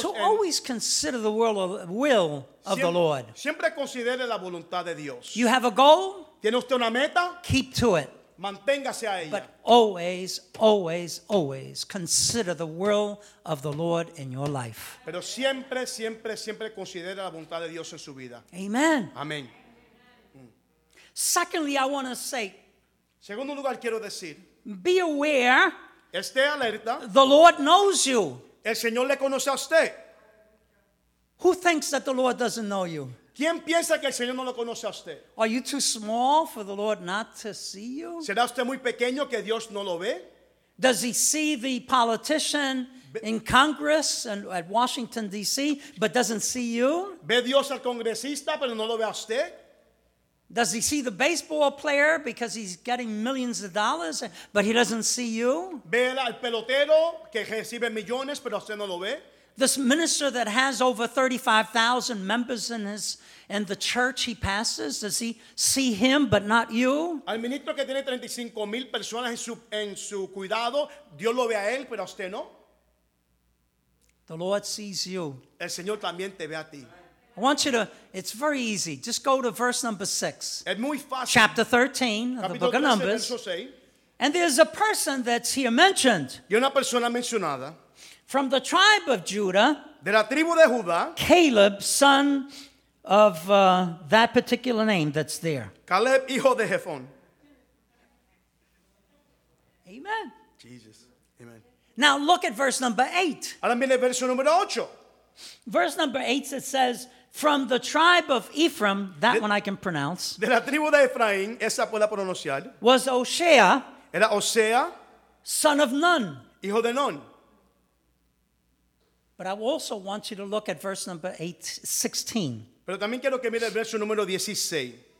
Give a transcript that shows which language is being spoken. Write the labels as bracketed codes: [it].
[en] to always consider the will of [es] siempre, [en] the Lord. [es] Siempre considere la voluntad de Dios. [en] You have a goal? [es] ¿Tiene usted una meta? [en] Keep to it. [es] Manténgase a ella. [en] But always, always, always consider the will of the Lord in your life. [es] Pero siempre, siempre, siempre considere la voluntad de Dios en su vida. [en] Amen. [es] Amén. [en] Secondly, I want to say. [es] Segundo lugar quiero decir. [en] Be aware. [es] Esté alerta. [en] The Lord knows you. [es] El Señor le conoce a usted. [en] Who thinks that the Lord doesn't know you? [es] ¿Quién piensa que el Señor no lo conoce a usted? [en] Are you too small for the Lord not to see you? [es] ¿Será usted muy pequeño que Dios no lo ve? [en] Does he see the politician in Congress and at Washington D.C. but doesn't see you? [es] ¿Ve Dios al congresista pero no lo ve a usted? [en] Does he see the baseball player because he's getting millions of dollars but he doesn't see you? [es] ¿Ve al pelotero que recibe millones pero usted no lo ve? [en] This minister that has over 35,000 members in the church he pastors, does he see him but not you? [es] Al ministro que tiene 35,000 personas en su cuidado, Dios lo ve a él, pero a usted no. [en] The Lord sees you. [es] El Señor también te ve a ti. [en] I want you to, it's very easy. Just go to verse number 6. [es] Es muy fácil. [en] Chapter 13 of the book of Numbers. And there's a person that's here mentioned. [es] Y una persona mencionada. [en] From the tribe of Judah, [es] de la tribu de Judá, [en] Caleb, son of that particular name that's there. [es] Caleb, hijo de Jefón. [en] Amen. Jesus. Amen. Now look at verse number 8. [es] Ahora mire verso número 8. [en] Verse number 8, it says, from the tribe of Ephraim, that one I can pronounce, [es] de la tribu de Efraín, esa puedo pronunciar, [en] was Hoshea, [es] era Hosea, [en] son of Nun, [es] hijo de Nun. [en] But I also want you to look at verse number 16. [es] Pero también quiero que mire el verso número 16.